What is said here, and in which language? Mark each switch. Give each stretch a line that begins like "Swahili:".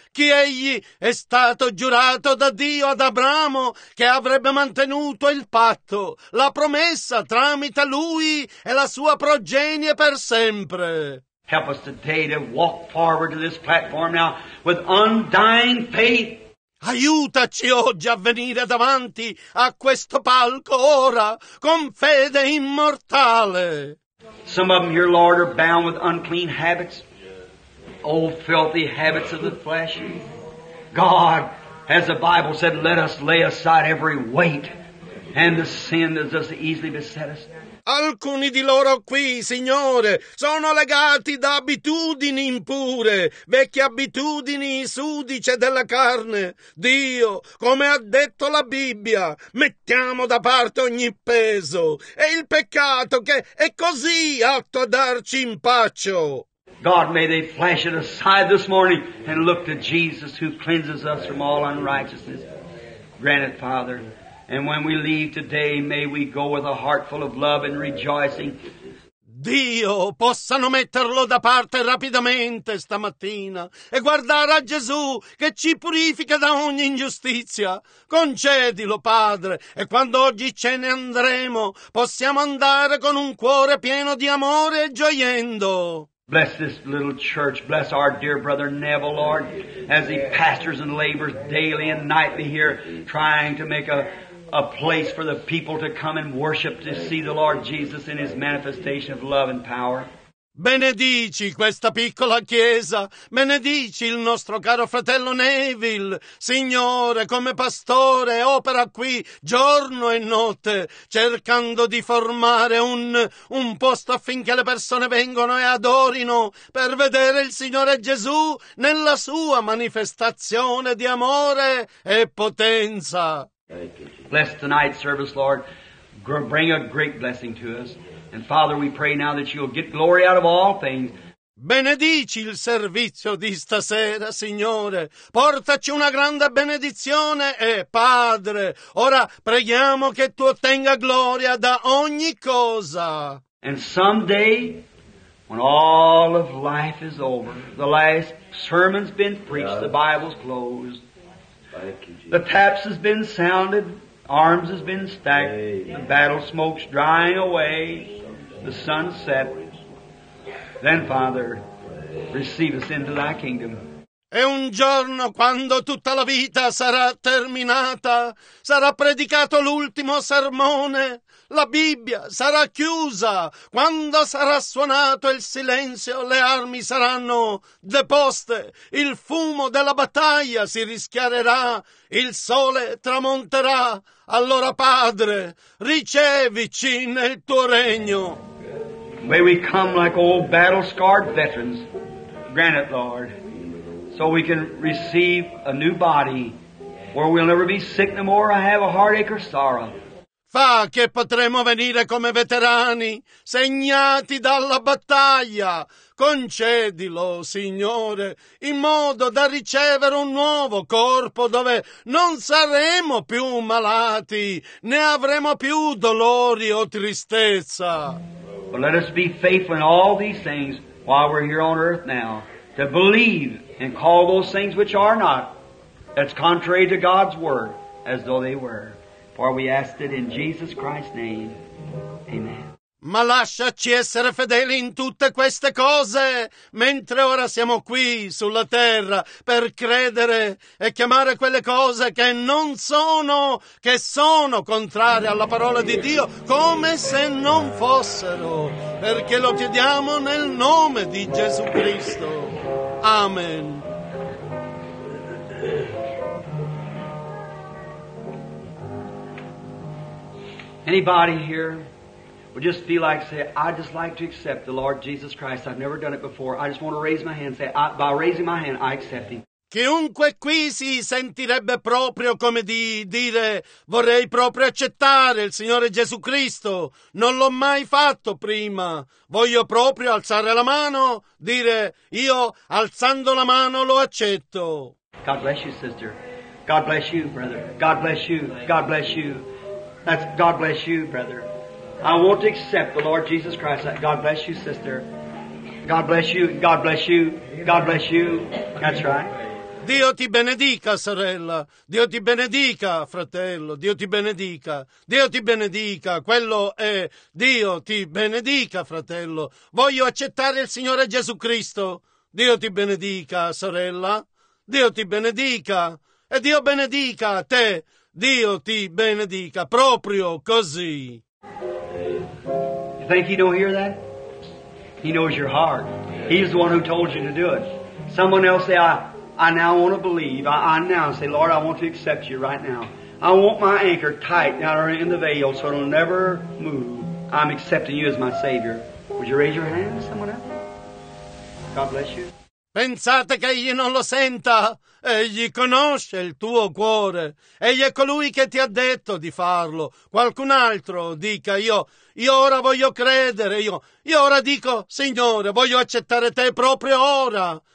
Italian: Chi egli è stato giurato da Dio ad Abramo che avrebbe mantenuto il patto, la promessa tramite lui e la sua progenie per sempre.
English: Help us today to walk forward to this platform now with undying faith.
Italian: Aiutaci oggi a venire davanti a questo palco ora con fede immortale.
English: Some of them here, Lord, are bound with unclean habits, old filthy habits of the flesh. God, as the Bible said, let us lay aside every weight and the sin that does easily beset us.
Italian: Alcuni di loro qui, Signore, sono legati da abitudini impure, vecchie abitudini sudice della carne. Dio, come ha detto la Bibbia, mettiamo da parte ogni peso e il peccato che è così atto a darci impaccio.
English: God, may they flash it aside this morning and look to Jesus who cleanses us from all unrighteousness. Grant it, Father. And when we leave today, may we go with a heart full of love and rejoicing.
Italian: Dio, possano metterlo da parte rapidamente stamattina e guardare a Gesù che ci purifica da ogni ingiustizia. Concedilo, Padre, e quando oggi ce ne andremo, possiamo andare con un cuore pieno di amore e gioiendo.
English: Bless this little church. Bless our dear brother Neville, Lord, as he pastors and labors daily and nightly here, trying to make a place for the people to come and worship to see the Lord Jesus in his manifestation of love and power.
Italian: Benedici questa piccola chiesa, benedici il nostro caro fratello Neville, Signore, come pastore opera qui giorno e notte, cercando di formare un posto affinché le persone vengano e adorino per vedere il Signore Gesù nella sua manifestazione di amore e potenza.
English: Bless tonight's service, Lord. Bring a great blessing to us. And Father, we pray now that you'll get glory out of all things.
Italian: Benedici il servizio di stasera, Signore. Portaci una grande benedizione e, Padre, ora preghiamo che tu ottenga gloria da ogni cosa.
English: And someday, when all of life is over, the last sermon's been preached, the Bible's closed, the taps has been sounded, arms has been stacked, the battle smoke's drying away, the sun set. Then, Father, receive us into thy kingdom.
Italian: E un giorno, quando tutta la vita sarà terminata, sarà predicato l'ultimo sermone, la Bibbia sarà chiusa, quando sarà suonato il silenzio, le armi saranno deposte, il fumo della battaglia si rischiarerà, il sole tramonterà, allora Padre, ricevici nel tuo regno.
English: May we come like old battle-scarred veterans, grant it, Lord. So we can receive a new body where we'll never be sick no more or have a heartache or sorrow.
Italian: Fa che potremo venire come veterani, segnati dalla battaglia. Concedilo, Signore, in modo da ricevere un nuovo corpo dove non saremo più malati, né avremo più dolori o tristezza.
English: But let us be faithful in all these things while we're here on earth now to believe and call those things which are not, that's contrary to God's word, as though they were. For we ask it in Jesus Christ's name. Amen.
Italian: Ma lasciaci essere fedeli in tutte queste cose, mentre ora siamo qui sulla terra per credere e chiamare quelle cose che non sono, che sono contrarie alla parola di Dio, come se non fossero, perché lo chiediamo nel nome di Gesù Cristo. Amen.
English: Anybody here would just feel like say, I'd just like to accept the Lord Jesus Christ. I've never done it before. I just want to raise my hand and say, by raising my hand, I accept him.
Italian: Chiunque qui si sentirebbe proprio come di dire vorrei proprio accettare il Signore Gesù Cristo. Non l'ho mai fatto prima. Voglio proprio alzare la mano, dire io alzando la mano lo accetto.
English: God bless you, sister. God bless you, brother. God bless you. God bless you. That's God bless you, brother. I want to accept the Lord Jesus Christ. God bless you, sister. God bless you. God bless you. God bless you. That's right.
Italian: Dio ti benedica, sorella. Dio ti benedica, fratello. Dio ti benedica. Dio ti benedica. Quello è Dio ti benedica, fratello. Voglio accettare il Signore Gesù Cristo. Dio ti benedica, sorella. Dio ti benedica. E Dio benedica te. Dio ti benedica. Proprio così.
English: You think he don't hear that? He knows your heart. He's the one who told you to do it. Someone else say, I now want to believe. I now say, Lord, I want to accept you right now. I want my anchor tight down in the veil so it'll never move. I'm accepting you as my Savior. Would you raise your hand, someone else? God bless you.
Italian: Pensate che egli non lo senta. Egli conosce il tuo cuore. Egli è colui che ti ha detto di farlo. Qualcun altro dica, io ora voglio credere. Io ora dico, Signore, voglio accettare te proprio ora.